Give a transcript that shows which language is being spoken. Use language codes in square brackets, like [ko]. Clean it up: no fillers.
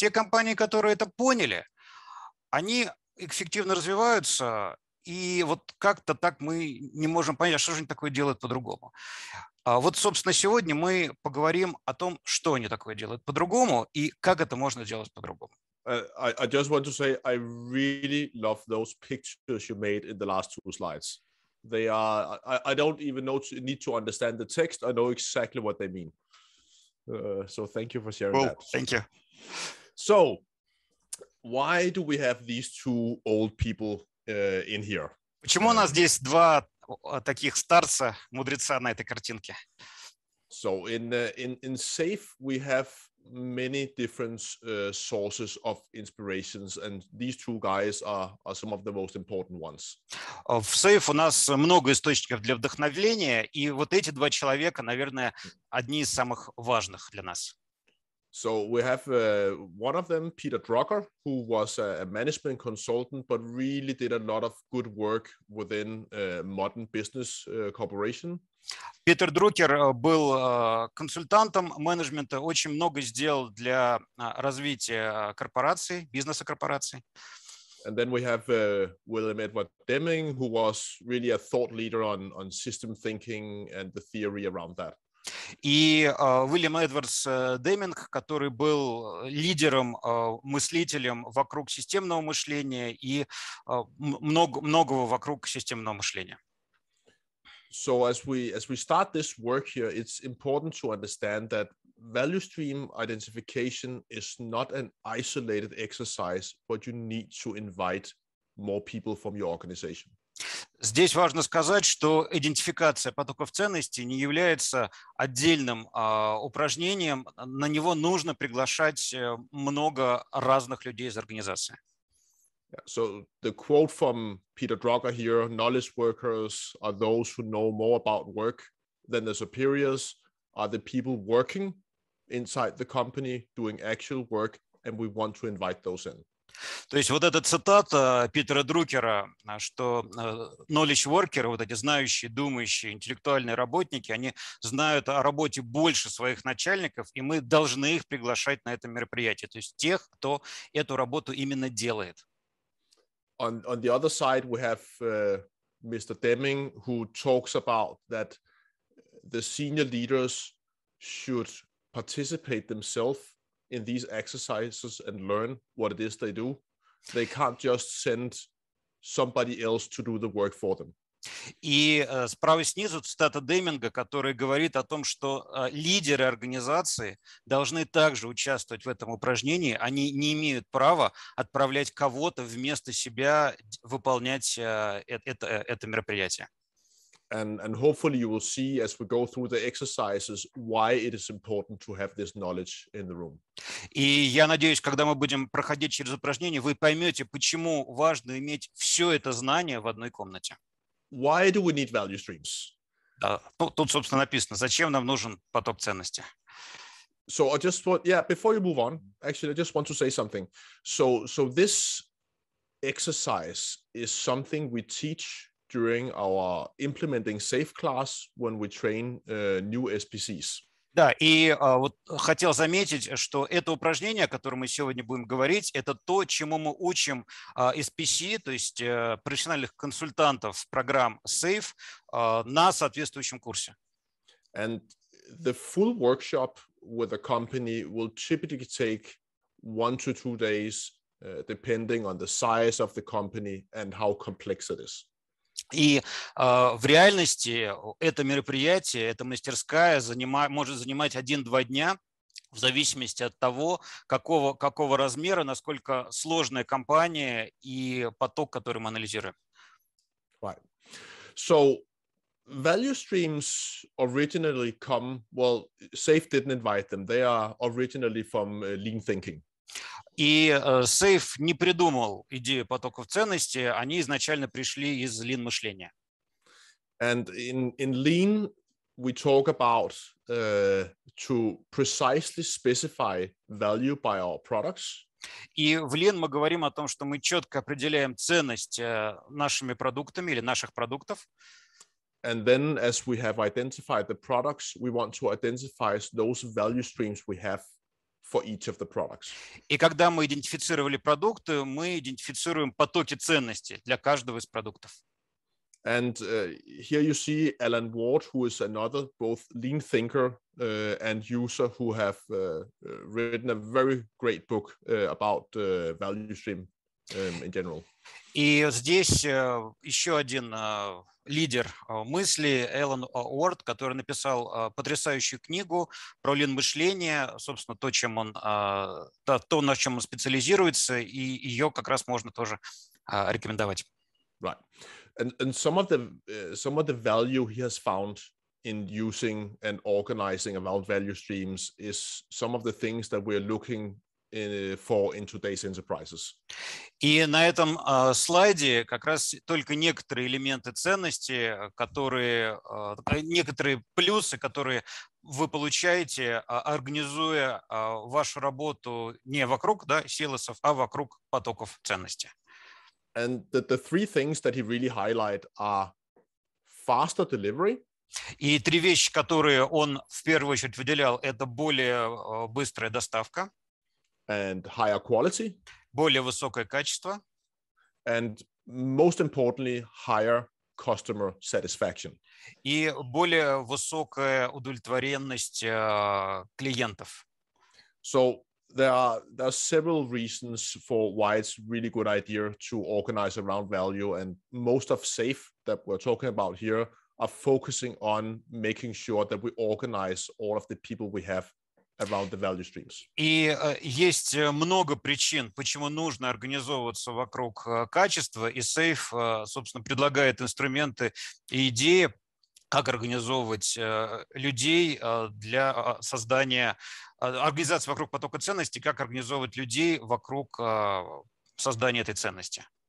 [ru] Те компании, которые это поняли, они эффективно развиваются, и вот как-то так мы не можем понять, а что же они такое делают по-другому. Вот, собственно, сегодня мы поговорим о том, что они такое делают по-другому и как это можно делать по-другому. [en] I just want to say I really love those pictures you made in the last two slides. They are, I don't even need to understand the text. I know exactly what they mean. So thank you for sharing that. Thank you. So why do we have these two old people in here? [ru] Почему у нас здесь два таких старца, мудреца на этой картинке? [en] So in SAFE we have many different sources of inspirations, and these two guys are some of the most important ones. [ru] В SAFE у нас много источников для вдохновения, и вот эти два человека, наверное, одни из самых важных для нас. [en] So we have one of them, Peter Drucker, who was a management consultant, but really did a lot of good work within modern business corporation. [ru] Питер Друкер был консультантом менеджмента, очень много сделал для развития корпораций, бизнеса корпораций. [en] And then we have William Edward Deming, who was really a thought leader on system thinking and the theory around that. [ru] И Уильям Эдвардс Деминг, который был лидером, мыслителем вокруг системного мышления и многого вокруг системного мышления. [en] So as we start this work here, it's important to understand that value stream identification is not an isolated exercise, but you need to invite more people from your organization. [ru] Здесь важно сказать, что идентификация потоков ценностей не является отдельным упражнением. На него нужно приглашать много разных людей из организации. [en] So the quote from Peter Drucker here: knowledge workers are those who know more about work than their superiors, are the people working inside the company doing actual work, and we want to invite those in. [ru] То есть вот эта цитата Питера Друкера, что knowledge workers, вот эти знающие, думающие, интеллектуальные работники, они знают о работе больше своих начальников, и мы должны их приглашать на это мероприятие, то есть тех, кто эту работу именно делает. [en] On the other side we have Mr. Deming, who talks about that the senior leaders should participate themselves in these exercises and learn what it is they do. They can't just send somebody else to do the work for them. [ru] И справа снизу цитата Деминга, который говорит о том, что лидеры организации должны также участвовать в этом упражнении. Они не имеют права отправлять кого-то вместо себя выполнять это мероприятие. [en] And hopefully you will see as we go through the exercises why it is important to have this knowledge in the room. [ru] И я надеюсь, когда мы будем проходить через упражнение, вы поймете, почему важно иметь все это знание в одной комнате. [en] Why do we need value streams? [ru] Да, тут, собственно, написано, зачем нам нужен поток ценностей. [en] So I just want, before you move on, actually, I just want to say something. So this exercise is something we teach during our implementing SAFE class when we train new SPCs. [ru] Да, и вот хотел заметить, что это упражнение, о котором мы сегодня будем говорить, это то, чему мы учим SPC, то есть профессиональных консультантов программ SAFE на соответствующем курсе. [en] And the full workshop with a company will typically take 1 to 2 days, depending on the size of the company and how complex it is. [ru] И в реальности это мероприятие, эта мастерская может занимать 1-2 дня в зависимости от того, какого размера, насколько сложная компания и поток, который мы анализируем. [en] Right. So value streams originally come, well, SAFE didn't invite them. They are originally from lean thinking. [ru] И SAFE не придумал идею потоков ценностей, они изначально пришли из lean мышления. [en] And in lean we talk about to precisely specify value by our products. [ru] И в lean мы говорим о том, что мы четко определяем ценность нашими продуктами или наших продуктов. [en] And then as we have identified the products, we want to identify those value streams we have for each of the products. [ru] И когда мы идентифицировали продукты, мы идентифицируем потоки ценностей для каждого из продуктов. [en] And here you see Alan Ward, who is another both lean thinker and user who have written a very great book about value stream in general. [ru] И здесь еще один лидер мысли, Эллен Уорд, который написал потрясающую книгу про лин-мышление, собственно, то, чем он, то, на чем он специализируется, и ее как раз можно тоже рекомендовать. [en] Right. And some of the value he has found in using and organizing around value streams is some of the things that we're looking for in today's enterprises. [ru] И на этом слайде как раз только некоторые элементы ценности, которые некоторые плюсы, которые вы получаете, организуя вашу работу не вокруг, да, силосов, а вокруг потоков ценности. [en] And the three things that he really highlight are faster delivery. [ru] И три вещи, которые он в первую очередь выделял, это более быстрая доставка. [en] And higher quality. [ru] Более высокое качество. [en] And most importantly, higher customer satisfaction. [ru] И более высокая удовлетворенность клиентов. [en] So there are several reasons for why it's really good idea to organize around value, and most of SAFE that we're talking about here are focusing on making sure that we organize all of the people we have around the value streams. [ru] И есть много причин, почему нужно организовываться вокруг качества, и SAFE, собственно, предлагает инструменты и идеи, как организовывать людей для создания организации вокруг потока ценностей, как организовывать людей вокруг создания этой ценности.